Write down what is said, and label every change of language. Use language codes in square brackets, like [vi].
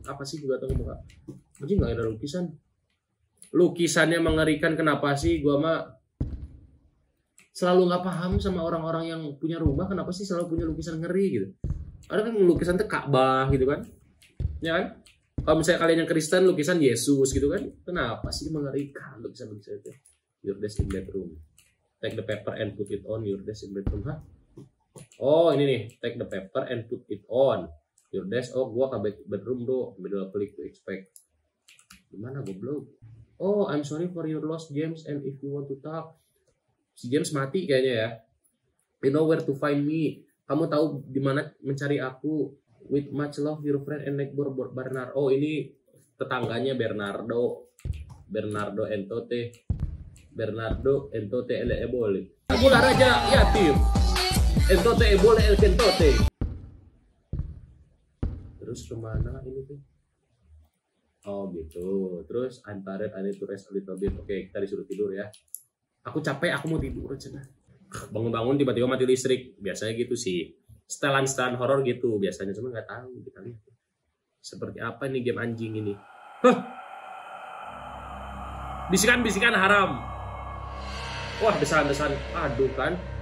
[id] Apa sih juga tahu enggak? Anjing enggak ada lukisan. Lukisannya mengerikan kenapa sih gua mah selalu enggak paham sama orang-orang yang punya rumah kenapa sih selalu punya lukisan ngeri gitu. Ada kan lukisan teh Ka'bah gitu kan? Ya kan? Kalau misalnya kalian yang Kristen lukisan Yesus gitu kan? Kenapa sih mengerikan lukisan-lukisan itu? [en] Your desk in bedroom. Take the paper and put it on your desk in bedroom. [id] Hah? Oh ini nih, [en] take the paper and put it on your desk. [id] Oh gua ke [en] bedroom bro, middle click to expect. [id] Gimana goblok? [en] Oh I'm sorry for your lost James and if you want to talk. [id] Si James mati kayaknya ya. [en] You know where to find me. [id] Kamu tahu di mana mencari aku. [en] With much love your friend and neighbor Bernard. [id] Oh ini tetangganya Bernardo. Bernardo Entote. Bernardo Entote ele ebole. Aku lah raja yatim. Entote boleh el kentote. Terus kemana ini tuh? Oh gitu. Terus [en] I'm tired, I need to rest a little bit. [id] Oke, kita disuruh tidur ya. Aku capek, aku mau tidur aja. Bangun-bangun tiba-tiba mati listrik. Biasanya gitu sih. Setelan-setelan horor gitu biasanya, cuma enggak tahu kita lihat. Seperti apa ini game anjing ini? Hah. Bisikan-bisikan haram. Wah, desahan-desahan. Aduh kan.